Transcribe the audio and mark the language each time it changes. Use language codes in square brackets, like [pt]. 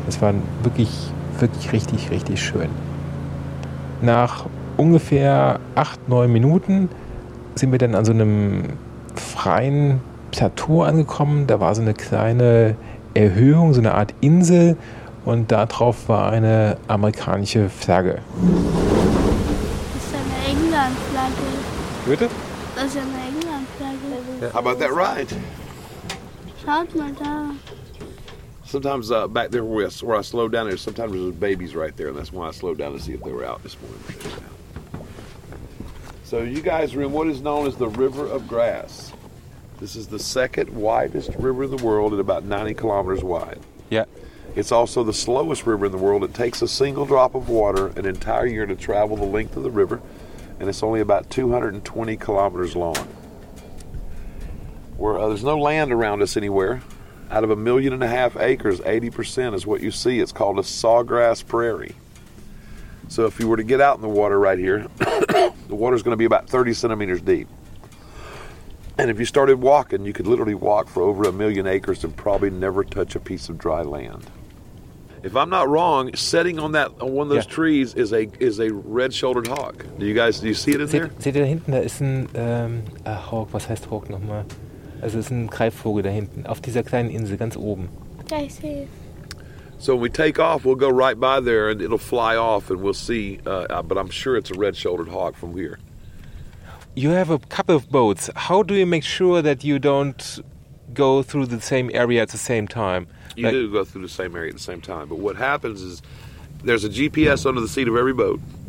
[de] Es war wirklich, wirklich richtig, richtig schön. Nach ungefähr 8-9 Minuten sind wir dann an so einem freien Plateau angekommen. Da war so eine kleine Erhöhung, so eine Art Insel, und da drauf war eine amerikanische Flagge. Das ist eine England-Flagge. Bitte? Das ist eine England-Flagge. [en] Yeah. How about that ride? [de] Schaut mal da. [en] Sometimes back there where I slowed down, there sometimes there's babies right there, and that's why I slowed down to see if they were out this morning. So you guys are in what is known as the River of Grass. This is the second widest river in the world at about 90 kilometers wide. Yeah. It's also the slowest river in the world. It takes a single drop of water an entire year to travel the length of the river, and it's only about 220 kilometers long. Where there's no land around us anywhere. Out of 1.5 million acres, 80% is what you see. It's called a sawgrass prairie. So if you were to get out in the water right here, the water's going to be about 30 centimeters deep. And if you started walking, you could literally walk for over 1 million acres and probably never touch a piece of dry land. If I'm not wrong, sitting on that on one of those trees is a red-shouldered hawk. Do you see it in there? [de] Seht ihr da hinten? Da ist ein Hawk. Was heißt Hawk nochmal? Also es ist ein Greifvogel da hinten, auf dieser kleinen Insel, ganz oben. [en] I see. So when we take off, we'll go right by there and it'll fly off and we'll see. But I'm sure it's a red-shouldered hawk from here. You have a couple of boats. How do you make sure that you don't go through the same area at the same time? You do go through the same area at the same time. But what happens is there's a GPS under the seat of every boat.